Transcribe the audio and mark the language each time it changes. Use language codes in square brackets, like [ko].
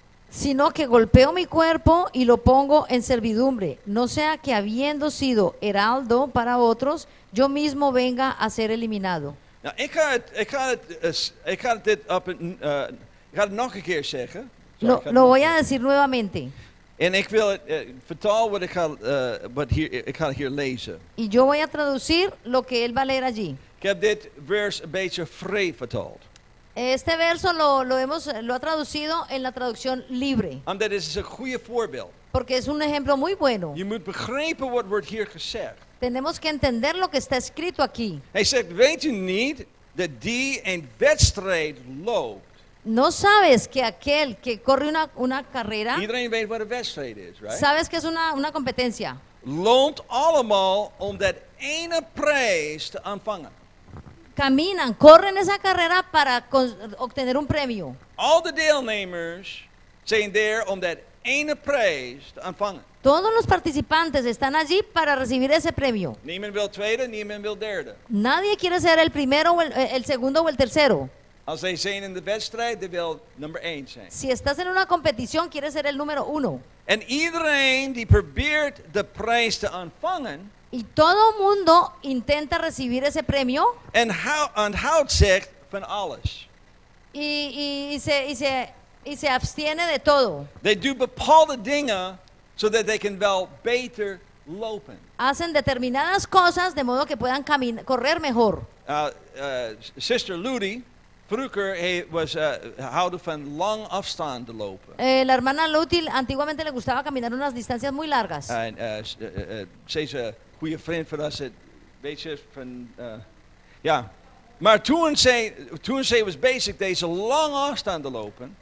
[es] Sino que golpeo mi cuerpo y lo pongo en servidumbre, no sea que habiendo sido heraldo para otros, yo mismo venga a ser eliminado. [nl] Nou, ik ga het nog een keer zeggen. [es] Lo voy a decir nuevamente. [nl] En ik wil vertalen wat ik ga hier lezen. [es] Y yo voy a traducir lo que él va a leer allí. [nl] Ik heb dit vers een beetje vrij vertaald. [es] Este verso lo ha traducido en la traducción libre. [nl] Omdat het is een goede voorbeeld. [es] Porque es un ejemplo muy bueno. [nl] Je moet begrijpen wat wordt hier gezegd. [es] Tenemos que entender lo que está escrito aquí. [nl] Hij zegt, weet u niet dat die een wedstrijd loopt? [es] No sabes que aquel que corre una carrera. [nl] Iedereen weet wat een wedstrijd is, right? [es] Sabes que es una competencia. [nl] Loont allemaal om dat ene prijs te ontvangen. [es] Caminan, corren esa carrera para obtener un premio. [nl] All the deelnemers zijn there om dat ene prijs te ontvangen. [es] Todos los participantes están allí para recibir ese premio. [nl] Niemand wil tweede, niemand wil derde. [es] Nadie quiere ser el primero, el segundo o el tercero. [nl] Als hij zijn in de wedstrijd, die wil nummer 1 zijn. [es] Si estás en una competición, quiere ser el número 1. [nl] En iedereen die probeert de prijs te ontvangen. [es] Y todo mundo intenta recibir ese premio. [nl] En houdt zich van alles. [es] Y se abstiene de todo. [en] They do [nl] bepaalde dingen, [en] so that they can well better lopen. [es] Hacen determinadas cosas de modo que puedan correr mejor. [nl] Sister Ludy vroeger was houden van lang afstand te lopen. [es] La hermana Ludy antiguamente le gustaba caminar unas distancias muy largas. [nl] Ze is een goede vriend van ons. Weet je van ja. Maar toen ze was bezig deze lang afstand te lopen.